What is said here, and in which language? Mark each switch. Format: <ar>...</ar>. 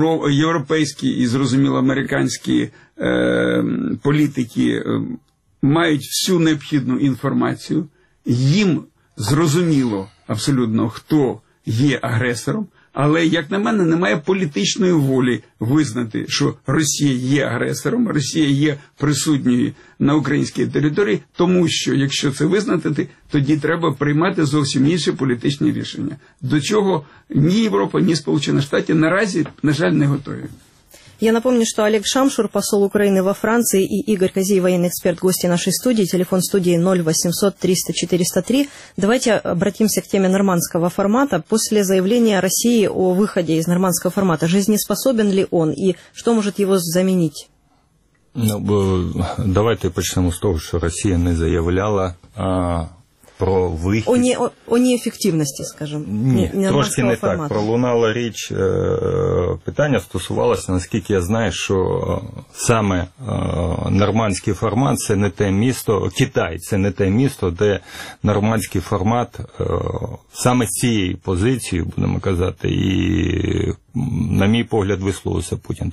<uk>європейські і, зрозуміло, американські політики мають всю необхідну інформацію, їм зрозуміло абсолютно, хто є агресором, але, як на мене, немає політичної волі визнати, що Росія є агресором, Росія є присутньою на українській території, тому що, якщо це визнати, тоді треба приймати зовсім інші політичні рішення. До чого ні Європа, ні Сполучені Штати наразі, на жаль, не готові.</uk> <ru>Я напомню, что Олег Шамшур, посол Украины во Франции, и Игорь Козий, военный эксперт, гости нашей студии. Телефон студии 0800-300-403. Давайте обратимся к теме нормандского формата. После заявления России о выходе из нормандского формата, жизнеспособен ли он и что может его заменить? Ну, давайте начнем с того, что Россия не заявляла</ru> <uk>про вихід. О неефективності, скажімо. Ні, трошки не так. Пролунала річ, питання стосувалося, наскільки я знаю, що саме нормандський формат – це не те місто, Китай – це не те місто, де нормандський формат саме з цією позицією, будемо казати, і, на мій погляд, висловився Путін.</uk>